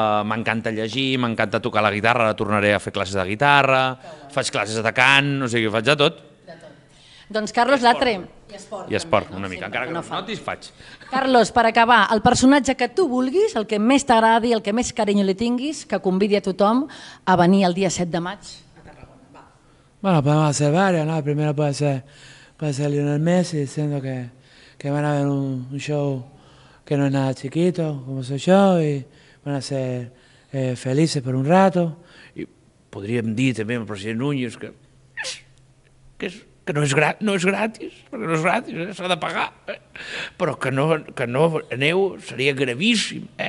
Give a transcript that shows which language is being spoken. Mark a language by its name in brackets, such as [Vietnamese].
[Catalan] M'encanta llegir, m'encanta tocar la guitarra, tornaré a fer classes de guitarra, faig classes de cant, o sigui, faig de tot. De tot. Doncs Carlos Latre. I esport també, no? Una mica, sempre, encara que no t'hi faig. Carlos, per acabar, el personatge que tu vulguis, el que més t'agradi, el que més carinyo li tinguis, que convidi a tothom a venir el dia 7 de maig a Tarragona. Va. [Spanish] Bueno, [Catalan] podem ser diversos, no? El primer [Spanish] puede ser Lionel Messi, sendo que van a ver un show que no es nada chiquito, como soy yo, y van a ser felices por un rato. [Catalan] I podríem dir també al president Núñez que no és gratis, perquè no és gratis, s'ha de pagar, però que no aneu, seria gravíssim.